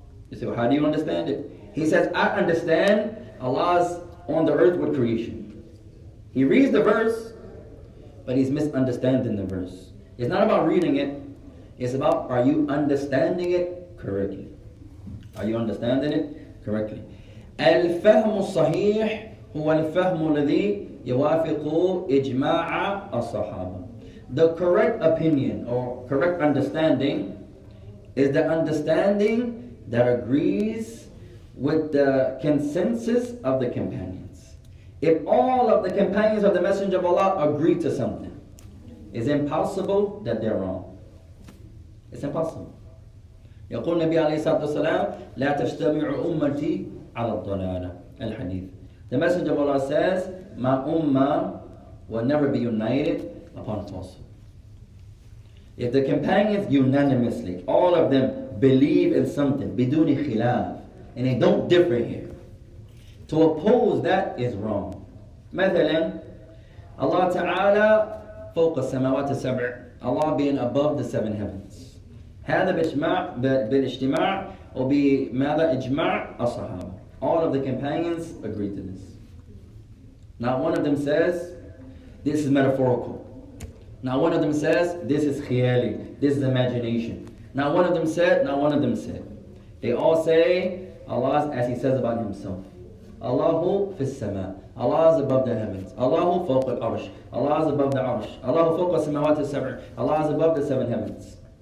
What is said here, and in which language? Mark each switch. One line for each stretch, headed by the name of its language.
English: You say, well, how do you understand it? He says, I understand Allah's on the earth with creation. He reads the verse, but he's misunderstanding the verse. It's not about reading it, it's about, are you understanding it correctly? Are you understanding it correctly?
Arabic: الفهم الصحيح هو الفهم الذي يوافق إجماع الصحابة.
English: The correct opinion or correct understanding is the understanding that agrees with the consensus of the companions. If all of the companions of the Messenger of Allah agree to something, it's impossible that they're wrong. It's impossible.
Arabic: يقول النبي عليه الصلاة والسلام لا تجتمع أمتي على الضلالة الحديث.
English: The Messenger of Allah says my ummah will never be united upon falsehood. If the companions unanimously, all of them believe in something
Arabic: بدون خلاف,
English: and they don't differ here, to oppose that is wrong.
Arabic: مثلا الله تعالى فوق السماوات السبع,
English: Allah being above the seven heavens.
Arabic: هذا بإجماع بالاجتماع وبماذا إجماع الصحابة.
English: All of the companions agree to this. Not one of them says this is metaphorical. Not one of them says this is خيالي, this is imagination. Not one of them said. They all say Allah is, as He says about Himself,
Arabic: Allahu fi السماء,
English: Allah is above the heavens,
Arabic: Allahu فوق الأرش,
English: Allah is above the arsh,
Arabic: Allahu فوق السماوات السبع,
English: Allah is above the seven heavens.